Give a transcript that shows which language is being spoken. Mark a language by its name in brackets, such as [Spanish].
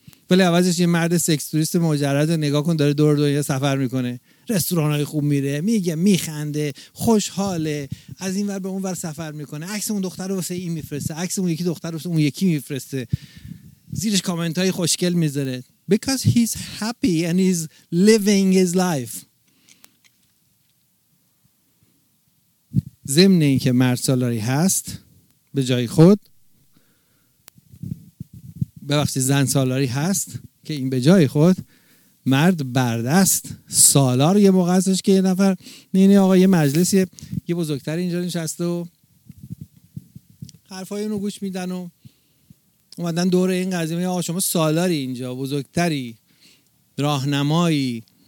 [Persian] ولی عوضش یه مرد سکس توریست مجرد نگاه کن داره دور دنیا سفر میکنه، رستوران های خوب میره، میگه، میخنده، خوشحاله، از این ور به اون ور سفر میکنه، عکس اون دختر رو واسه این میفرسته، عکس اون یکی دختر رو واسه اون یکی میفرسته، زیرش کامنت های خوشگل میذاره. [English] Because he's happy and he's living his life. [Persian] ضمن این که مرد سالاری هست به جای خود، ببخشید زن سالاری هست که این به جای خود، مرد بردست سالار یه موقع هستش که یه نفر نینه آقا یه مجلسی یه بزرگتر اینجا نشسته و حرفای اونو گوش میدن و اومدن دور این قضیه، آقا شما سالاری اینجا، بزرگتری، راهنمایی،